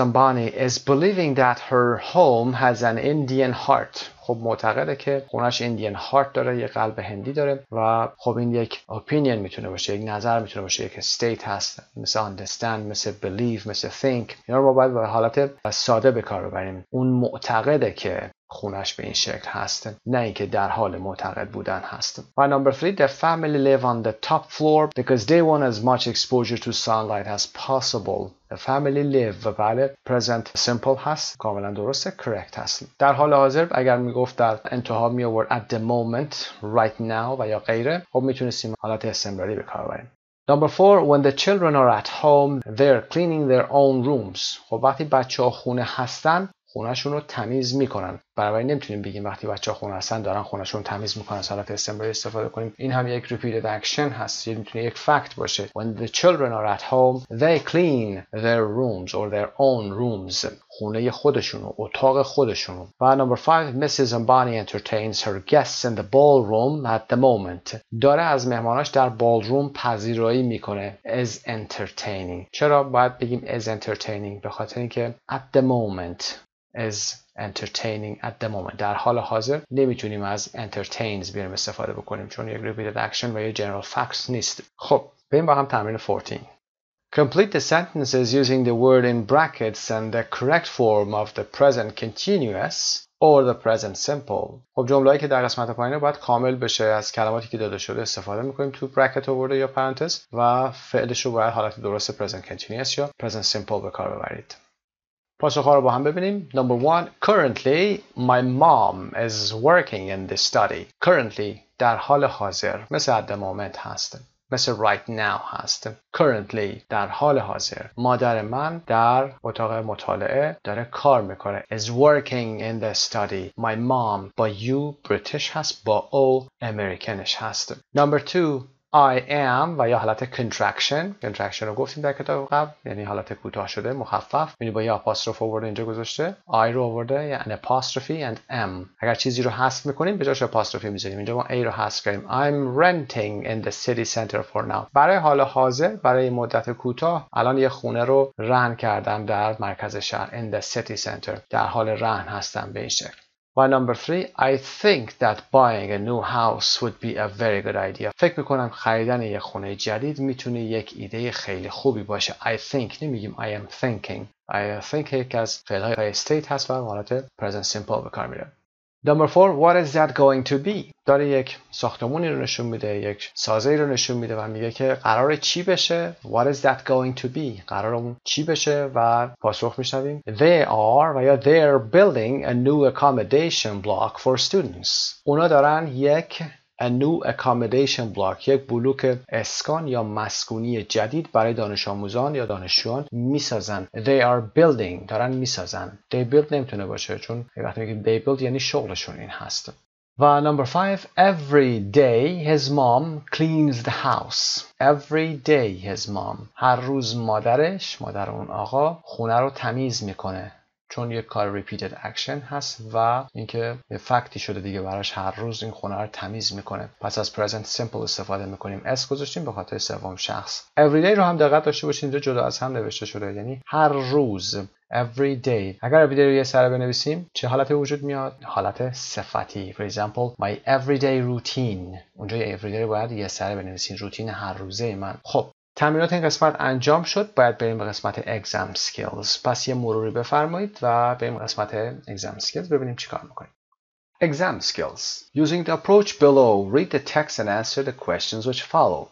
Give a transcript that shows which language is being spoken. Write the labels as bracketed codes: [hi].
[en] Ambani is believing that her home has an Indian heart. [fa] خب معتقده که خونش [en] Indian heart [fa] داره، یه قلب هندی داره و خب این یک opinion میتونه باشه، یک نظر میتونه باشه، یک state هست، مثل understand، مثل believe، مثل think. اینا رو ما باید به حالت ساده به کار ببریم. اون معتقده که خونش به این شکل هست، نه اینکه در حال معتقد بودن هست. و number 3، the family live on the top floor because they want as much exposure to sunlight as possible. [en] The family live، بله present simple هست، [fa] کاملا درسته، [en] correct هست. [fa] در حال حاضر اگر میگفت در انتها میآورد [en] at the moment، right now [fa] و یا غیره، خب میتونستیم حالت استمراری به کار بریم. [en] Number 4، when the children are at home they're cleaning their own rooms. [fa] خب وقتی بچه ها خونه هستن خونهشون رو تمیز میکنن، برابری نمیتونیم بگیم وقتی بچه ها خونه هستن دارن خونهشون رو تمیز میکنن، حالت استمراری استفاده کنیم. این هم یک [en] repeated action هست، [fa] یه میتونه یک [en] fact باشه. When the children are at home they clean their rooms or their own rooms، [fa] خونه خودشون رو، اتاق خودشون رو. [en] و number 5، Mrs. Ambani entertains her guests in the ballroom at the moment. [fa] داره از مهماناش در ballroom پذیرایی میکنه. [en] Is entertaining. [fa] چرا باید بگیم [en] is entertaining؟ [fa] به خاطر اینکه [en] at the moment is entertaining at the moment. [fa] در حال حاضر نمیتونیم از entertains بیاریم استفاده بکنیم چون یک [en] repeated action [fa] و یک [en] general facts [fa] نیست. خب بریم با هم تمرین 14. [en] Complete the sentences using the word in brackets and the correct form of the present continuous or the present simple. [fa] خب جمله‌ای که در قسمت پایین باید کامل بشه از کلماتی که داده شده استفاده می‌کنیم تو bracket آورده یا parentheses و فعلش رو باید حالت درست [en] present continuous [fa] یا [en] present simple [fa] به کار ببرید. پاسخ‌ها رو با هم ببینیم. [en] Number one, currently my mom is working in the study. [fa] Currently در حال حاضر مثل [en] at the moment [fa] هست. مثل [en] right now [fa] هست. Currently در حال حاضر مادر من در اتاق مطالعه داره کار میکنه. [en] Is working in the study. My mom با you British هست [fa] با او [en] Americanش هست. Number two, I am [fa] و یا حالت [en] contraction. [fa] Contraction رو گفتیم در کتاب قبل یعنی حالت کوتاه شده مخفف. یعنی با یه apostrophe آورده اینجا گذاشته. I رو آورده یعنی [en] an apostrophe and am. [fa] اگر چیزی رو حذف میکنیم به جاش apostrophe میزنیم. اینجا ما A رو حذف کردیم. [en] I'm renting in the city center for now. [fa] برای حال حاضر برای مدت کوتاه الان یه خونه رو رهن کردم در مرکز شهر. [en] In the city center. [fa] در حال رهن هستم به این شکل. [en] و number three, I think that buying a new house would be a very good idea. [fa] فکر میکنم خریدن یک خونه جدید میتونه یک ایده خیلی خوبی باشه. [en] I think, [fa] نمیگیم [en] I am thinking. [fa] I think یک از فعلهای استیت هست و حالت present simple به کار میره. [en] Number four, what is that going to be? [fa] داره یک ساختمونی رو نشون میده، یک سازه‌ای رو نشون میده و میگه که قراره چی بشه؟ [en] What is that going to be? [fa] قراره اون چی بشه و پاسخ میشنویم. [en] They are [fa] و یا [en] they are building a new accommodation block for students. [fa] اونا دارن یک [en] a new accommodation block، [fa] یک بلوک اسکان یا مسکونی جدید برای دانش آموزان یا دانشجویان میسازن. [en] They are building، [fa] دارن میسازن. [en] They build [fa] نمیتونه باشه چون وقتی میگیم [en] they build [fa] یعنی شغلشون این هست. [en] و number five, every day his mom cleans the house. Every day his mom. [fa] هر روز مادرش، مادر اون آقا، خونه رو تمیز میکنه. چون یک کار [en] repeated action [fa] هست و اینکه یه فکتی شده دیگه براش هر روز این خونه رو تمیز میکنه. پس از present simple استفاده میکنیم. S گذاشتیم به خاطر سوم شخص. Every day رو هم دقت داشته باشین اینجا جدا از هم نوشته شده. یعنی هر روز. Every day. اگر every day رو یه سر بنویسیم چه حالت وجود میاد؟ حالت صفتی. [en] For example, my everyday routine. [fa] اونجا یه every day باید یه سر بنویسیم. روتین هر روزه من. خب. تمرینات این قسمت انجام شد. باید بریم به قسمت [en] exam skills. [fa] پس یه مروری بفرمایید و بریم قسمت exam skills ببینیم چی کار میکنیم. [en] Exam skills. Using the approach below, read the text and answer the questions which follow.